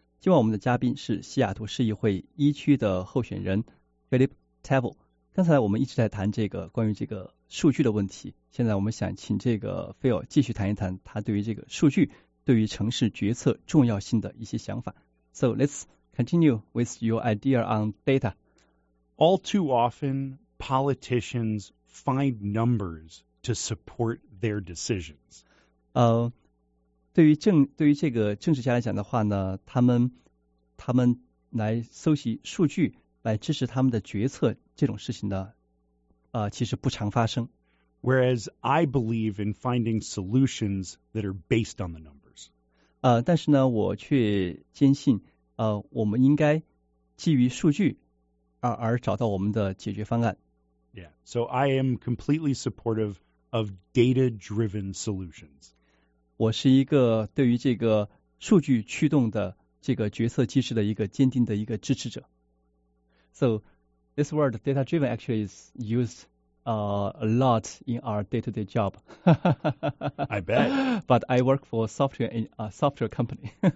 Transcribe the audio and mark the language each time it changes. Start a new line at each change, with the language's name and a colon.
Chinese: 今晚我们的嘉宾是西雅图市议会一区的候选人 Philip Tavel。刚才我们一直在谈这个关于这个数据的问题，现在我们想请这个 Phil 继续谈一谈他对于这个数据对于城市决策重要性的一些想法。
English: So let's continue with your idea on data. All too often, politicians find numbers to support their decisions.
Chinese: 对于这个政治家来讲的话呢，他们来搜集数据来支持他们的决策，这种事情呢，其实不常发生。
English: Whereas I believe in finding solutions that are based on the numbers.
Chinese: 但是呢，我却坚信，我们应该基于数据而找到我们的解决方案。
English: Yeah, so I am completely supportive of data-driven solutions.
Chinese: 我是一个对于这个数据驱动的这个决策机制的一个坚定的一个支持者。
English: So this word data-driven actually is used a lot in our day-to-day job. I bet. But I work for software in a software company.